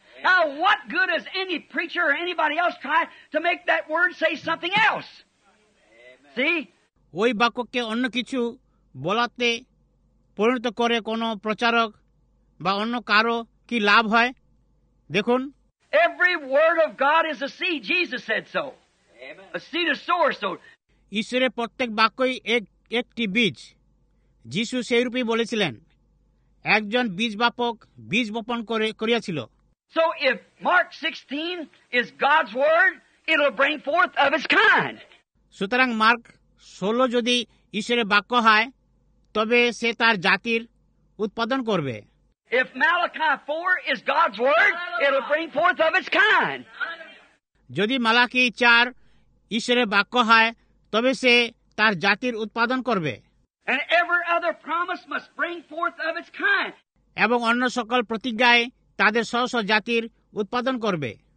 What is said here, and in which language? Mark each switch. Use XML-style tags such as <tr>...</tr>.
<en>Now, what good is any preacher or anybody else try to make that word say something else? See?</en> <bn>ওই বাক্যকে অন্য কিছু বলাতে পরিণত করে কোন প্রচারক বা অন্য কারো কি লাভ হয়? দেখুন,</bn> <en>every word of God is a seed. Jesus said so. Amen. A seed is sower sowed.</en> <bn>ঈশ্বরের প্রত্যেক বাক্যই একটি বীজ, যীশু সেই রূপেই বলেছিলেন, একজন বীজ বাপক বীজ বপন করিয়াছিল।</bn> <en>So if Mark 16 is God's word, it'll bring forth of its kind.</en> <bn>সুতরাং মার্ক 16 যদি ঈশ্বরের বাক্য হয়, তবে সে তার জাতির উৎপাদন করবে।</bn> <en>If Malachi 4 is God's word, it'll bring forth of its kind.</en> <bn>যদি মালাকি 4 ঈশ্বরের বাক্য হয়, তবে সে তার জাতির উৎপাদন করবে।</bn> <en>And every other promise must bring forth of its kind.</en> <bn>এবং অন্য সকল প্রতিজ্ঞায় তাদের স্ব স্ব জাতির উৎপাদন করবে।</bn>